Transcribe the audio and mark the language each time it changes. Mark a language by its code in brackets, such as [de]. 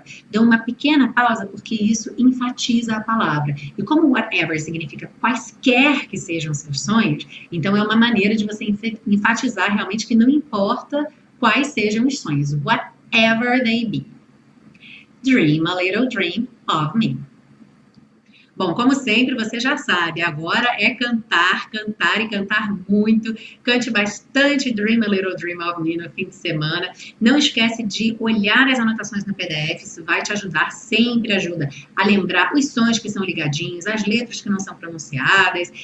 [pt] Dão uma pequena pausa porque isso enfatiza a palavra. E como whatever significa quaisquer que sejam seus sonhos, então é uma maneira de você enfatizar realmente que não importa quais sejam os sonhos, [en] whatever they be. Dream a little dream of me. [pt] Bom, como sempre, você já sabe, agora é cantar, cantar e cantar muito. Cante bastante Dream a Little Dream of Me no fim de semana. Não esquece de olhar as anotações no PDF, isso vai te ajudar, sempre ajuda a lembrar os sons que são ligadinhos, as letras que não são pronunciadas.